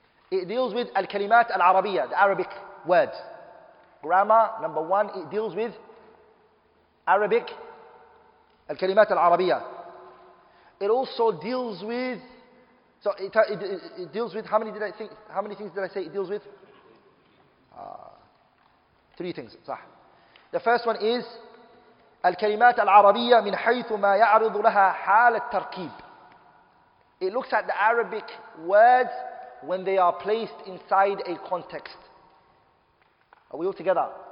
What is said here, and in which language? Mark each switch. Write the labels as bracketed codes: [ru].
[en] It deals with [ar] al-kalimat al-arabiyya, [en] the Arabic words. Grammar, number one, it deals with Arabic al-kalimat al-arabiyya. It also deals with, how many things did I say it deals with? Three things, صح. The first one is [ar] الكلمات العربية من حيث ما يعرض لها حال التركيب. [en] It looks at the Arabic words when they are placed inside a context. Are we all together?